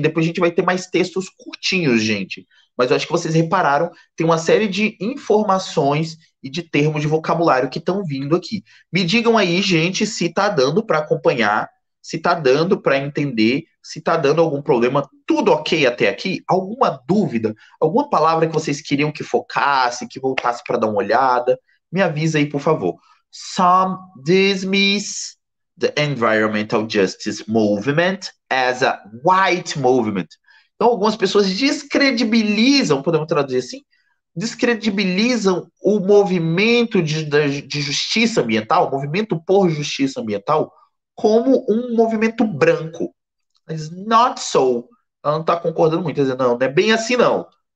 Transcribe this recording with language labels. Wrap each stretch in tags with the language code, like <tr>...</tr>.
<pt>Depois a gente vai ter mais textos curtinhos, gente. Mas eu acho que vocês repararam, tem uma série de informações e de termos de vocabulário que estão vindo aqui. Me digam aí, gente, se está dando para acompanhar, se está dando para entender, se está dando algum problema, tudo ok até aqui? Alguma dúvida? Alguma palavra que vocês queriam que focasse, que voltasse para dar uma olhada? Me avisa aí, por favor.</pt> <en>Some dismiss the environmental justice movement as a white movement.</en> <pt>Então, algumas pessoas descredibilizam, podemos traduzir assim, descredibilizam o movimento de justiça ambiental, o movimento por justiça ambiental, como um movimento branco. Mas</pt> <en>not so.</en> <pt>Ela não está concordando muito, dizendo, não, não é bem assim, não.</pt>